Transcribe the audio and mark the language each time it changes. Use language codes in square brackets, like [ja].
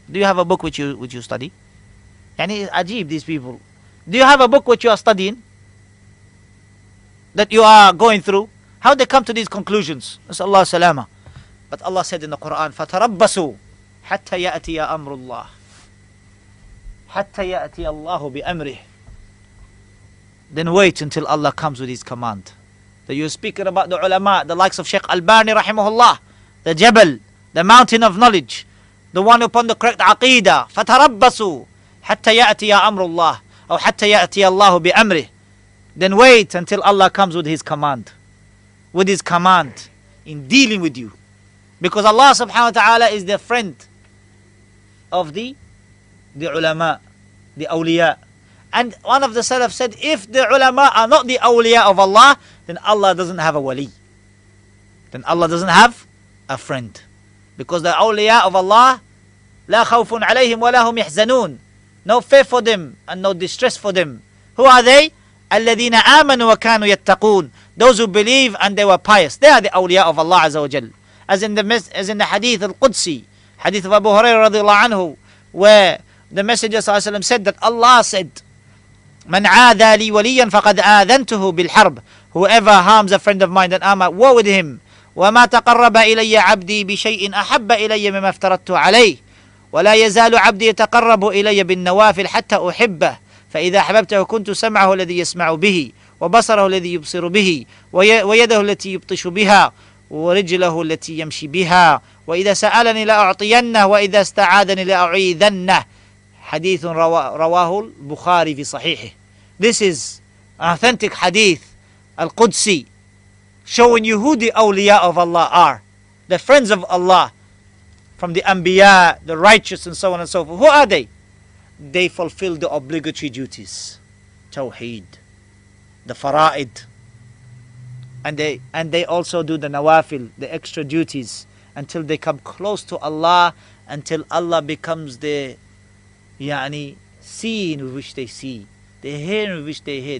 [en] Do you have a book which you study? [ar] Yani, ajib, [en] these people. Do you have a book which you are studying? That you are going through? How they come to these conclusions? It's Allah salama. But Allah said in the Quran, [ar] فَتَرَبَّسُوا حَتَّى يَأْتِيَ أَمْرُ اللَّهِ حَتَّى يَأْتِيَ اللَّهُ بِأَمْرِهِ. [en] Then wait until Allah comes with His command. That you're speaking about the ulama, the likes of Shaykh Albani, rahimahullah, the Jabal, the mountain of knowledge, the one upon the correct aqeedah. [ar] فَتَرَبَّسُوا حَتَّى يَأْتِيَ أَمْرُ اللَّهِ أو حَتَّى يَأْتِيَ اللَّهُ بِأَمْرِهِ. [en] Then wait until Allah comes with His command. With His command in dealing with you. Because Allah subhanahu wa ta'ala is the friend of the ulama, the awliya. And one of the salaf said, if the ulama are not the awliya of Allah, then Allah doesn't have a wali. Then Allah doesn't have a friend. Because the awliya of Allah, [ar] لا خوف عليهم ولا هم يحزنون. [en] No fear for them and no distress for them. Who are they? [ar] الذين آمنوا وكانوا يتقون. [en] Those who believe and they were pious, they are the awliya of Allah Azza wa Jal. As in the hadith al-Qudsi, hadith of Abu Hurairah radiallahu anhu, where the Messenger sallallahu alayhi wa sallam said that Allah said, [ar] "Man aadha li waliyan faqad aadhantuhu bil harb." [en] Whoever harms a friend of mine, then I'm at war with him. [ar] وَمَا تَقَرَّبَ إِلَيَّ عَبْدِي بِشَيْءٍ أَحَبَّ إِلَيَّ مِمَّا افْتَرَضْتُ عَلَيْهِ وَلَا يَزَالُ عَبْدِي يَتَقَرَّبُ إِلَيَّ بِالنَّوَافِلِ حَتَّى أُحِبَّهُ فَإِذَا أَحْبَبْتَهُ كُنْتُ سَمْعَهُ الَّذِي يَسْمَعُ بِهِ وبصره الذي يبصر به ويده التي يبطش بها ورجله التي يمشي بها وإذا سألني لأعطينه وإذا استعاذني لأعيذنه. حديث رواه البخاري في صحيحه. [en] This is authentic hadith al-Qudsi showing you who the awliya of Allah are, the friends of Allah, from the anbiya, the righteous, and so on and so forth. Who are they? They fulfill the obligatory duties, tawheed, the fara'id, and they also do the nawafil, the extra duties, until they come close to Allah, until Allah becomes the yani seeing with which they see, the hearing with which they hear.